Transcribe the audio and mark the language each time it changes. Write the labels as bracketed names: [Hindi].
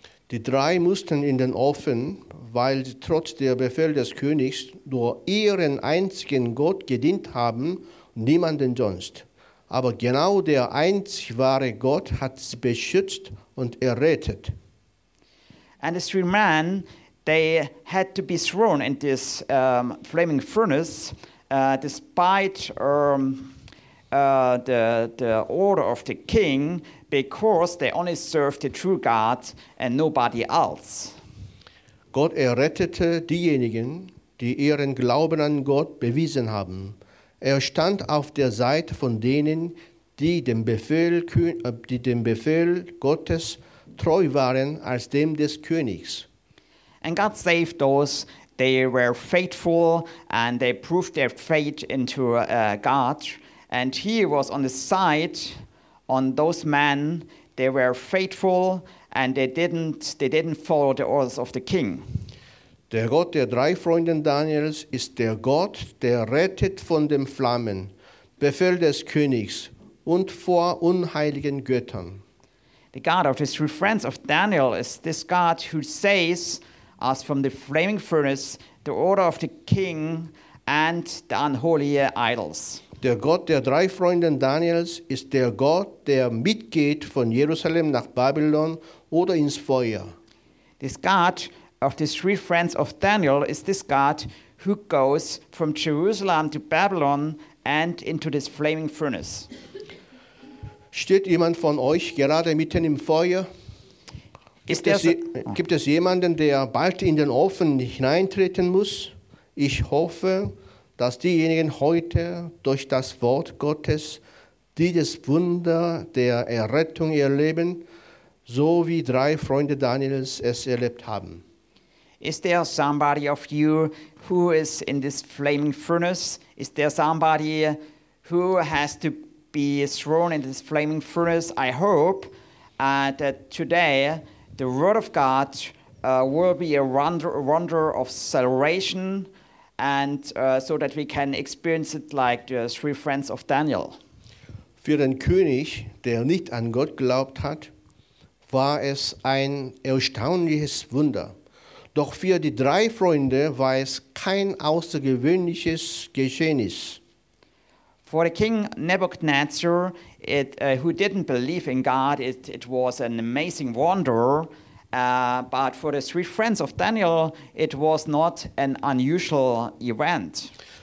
[German] Die drei mussten in den Ofen, weil sie trotz der Befehl des Königs nur ihren einzigen Gott gedient haben, niemanden sonst. Aber genau der einzig wahre Gott hat sie beschützt und errettet. [English] And the three men, they had to be thrown in this flaming furnace, despite the order of the king, because they only served the true God and nobody else. [German] Gott errettete diejenigen, die ihren Glauben an Gott bewiesen haben. Er stand auf der Seite von denen, die dem Befehl Gottes treu waren als dem des Königs. [English] And God saved those. They were faithful and they proved their faith into God. And he was on the side on those men. They were faithful and they didn't follow the orders of the king. [German] Der Gott der drei Freunde Daniels ist der Gott, der rettet von den Flammen, Befehl des Königs und vor unheiligen Göttern. [English] The God of the three friends of Daniel is this God who saves us from the flaming furnace, the order of the king and the unholy idols. [German] Der Gott der drei Freunde Daniels ist der Gott, der mitgeht von Jerusalem nach Babylon oder ins Feuer. [English] This God of the three friends of Daniel is this God who goes from Jerusalem to Babylon and into this flaming furnace. [German] Steht jemand von euch gerade mitten im Feuer? Gibt es jemanden, der bald in den Ofen hineintreten muss? Ich hoffe, dass diejenigen heute durch das Wort Gottes dieses Wunder der Errettung erleben, so wie drei Freunde Daniels es erlebt haben. [English] Is there somebody of you who is in this flaming furnace? Is there somebody who has to be thrown in this flaming furnace? I hope that today the word of God will be a wonder of salvation, and so that we can experience it like the three friends of Daniel. [German] Für den König, der nicht an Gott glaubt hat, war es ein erstaunliches Wunder. Doch für die drei Freunde war es kein außergewöhnliches Geschehnis. [English] For the king Nebuchadnezzar, who didn't believe in God, it was an amazing wonder. But for the three friends of Daniel, it was not an unusual event.